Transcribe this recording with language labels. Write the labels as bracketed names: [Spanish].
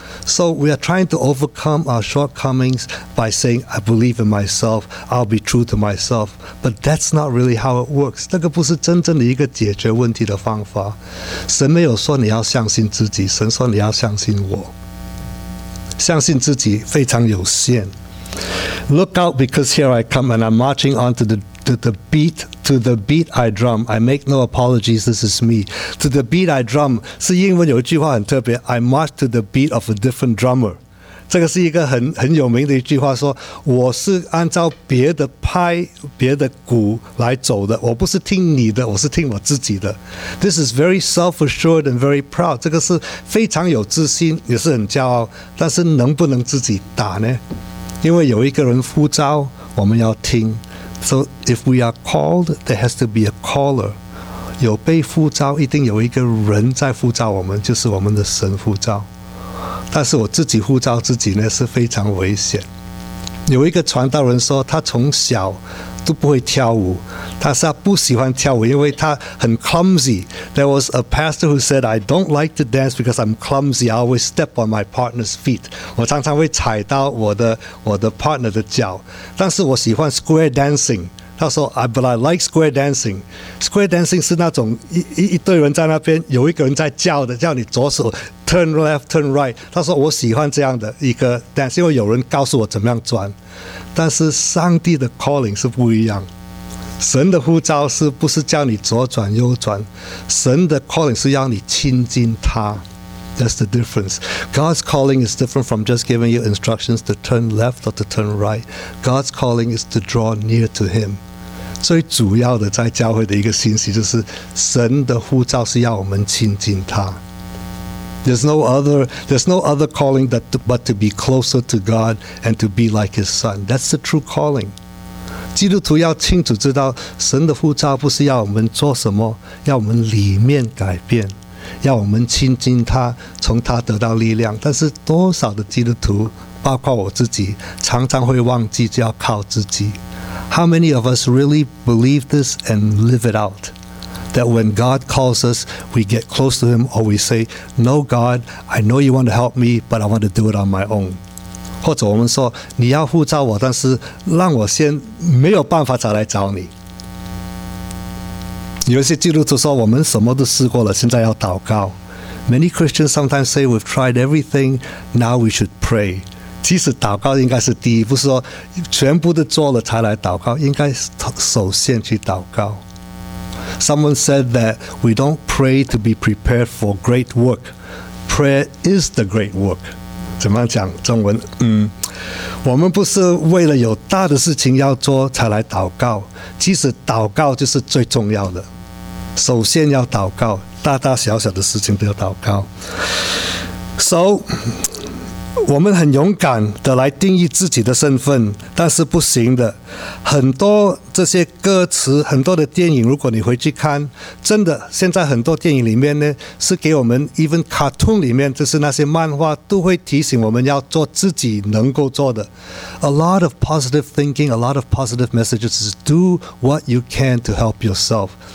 [English] So we are trying to overcome our shortcomings by saying, I believe in myself, I'll be true to myself. But that's not really how it works. [Chinese] 那个不是真正的一个解决问题的方法。神没有说你要相信自己，神说你要相信我。相信自己非常有限。 [English] Look out, because here I come, and I'm marching on to the beat I drum. I make no apologies, this is me. To the beat I drum [Chinese] 是英文有一句话很特别， [English] I march to the beat of a different drummer. [Chinese] 这个是一个 很有名的一句话，说我是按照别的拍别的鼓来走的，我不是听你的，我是听我自己的。 [English] This is very self-assured and very proud. [Chinese] 这个是非常有自信，也是很骄傲，但是能不能自己打呢？因为有一个人呼召，我们要听。 [English] So if we are called, there has to be a caller. [Chinese] 有被呼召，一定有一个人在呼召我们，就是我们的神呼召。但是我自己呼召自己呢，是非常危险。有一个传道人说，他从小都不会跳舞，但是他不喜欢跳舞，因为他很 clumsy. [English] There was a pastor who said, I don't like to dance because I'm clumsy. I always step on my partner's feet. [Chinese] 我常常会踩到我的 partner 的脚，但是我喜欢 square dancing. 他说 [English] but I like square dancing. [Chinese] Square dancing 是那种 一堆人在那边，有一个人在叫的，叫你左手 [English] turn left, turn right. [Chinese] 他说我喜欢这样的一个 dance, 因为有人告诉我怎么样转。但是上帝的 calling 是不一样，神的呼召是不是叫你左转右转？神的 calling 是要你亲近他。 [English] That's the difference. God's calling is different from just giving you instructions to turn left or to turn right. God's calling is to draw near to Him. [Chinese] 最主要的在教会的一个信息就是神的呼召是要我们亲近他。 [English] There's no other calling that but to be closer to God and to be like His Son. That's the true calling. [Chinese] 基督徒要清楚知道神的呼召不是要我们做什么，要我们里面改变，要我们亲近他，从他得到力量。但是多少的基督徒，包括我自己，常常会忘记就要靠自己。 [English] How many of us really believe this and live it out? That when God calls us, we get close to Him, or we say, No, God, I know you want to help me, but I want to do it on my own. [Chinese] 或者我们说，你要呼召我，但是让我先没有办法才来找你。有些基督徒说，我们什么都试过了，现在要祷告。 [English] Many Christians sometimes say, we've tried everything, now we should pray. [Chinese] 其实祷告应该是第一，不是说全部都做了才来祷告，应该首先去祷告。 [English] Someone said that we don't pray to be prepared for great work. Prayer is the great work. [Chinese] 怎么讲中文？我们不是为了有大的事情要做才来祷告，其实祷告就是最重要的。首先要祷告，大大小小的事情都要祷告。 So,我们很勇敢的来定义自己的身份，但是不行的。很多这些歌词，很多的电影，如果你回去看，真的，现在很多电影里面呢，是给我们 ， [English] even cartoon [Chinese] 里面，就是那些漫画，都会提醒我们要做自己能够做的。 [English] A lot of positive thinking, a lot of positive messages is do what you can to help yourself.